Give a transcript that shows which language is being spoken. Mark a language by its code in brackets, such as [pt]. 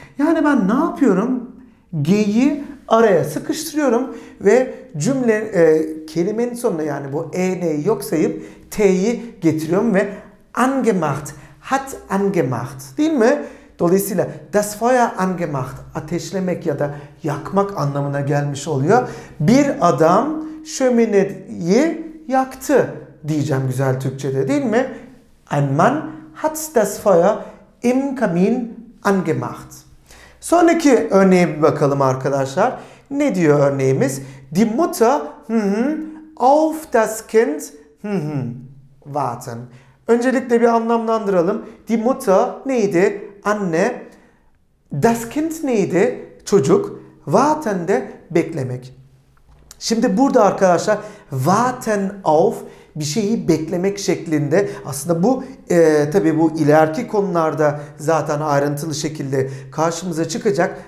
[tr] Yani ben ne yapıyorum? G'yi araya sıkıştırıyorum ve cümle kelimenin sonuna, yani bu e'yi yok sayıp t'yi getiriyorum ve angemacht hat angemacht değil mi? Dolayısıyla [de] das Feuer angemacht [tr] ateşlemek ya da yakmak anlamına gelmiş oluyor. Bir adam şömineyi yaktı diyeceğim güzel Türkçe'de değil mi? [de] Ein Mann hat das Feuer im Kamin angemacht. [tr] Sonraki örneğe bir bakalım arkadaşlar. Ne diyor örneğimiz? [de] Die Mutter auf das Kind warten. [tr] Öncelikle bir anlamlandıralım. Die Mutter neydi? Anne. Das Kind neydi? Çocuk. Warten de beklemek. Şimdi burada arkadaşlar warten auf bir şeyi beklemek şeklinde. Aslında bu tabii bu ileriki konularda zaten ayrıntılı şekilde karşımıza çıkacak.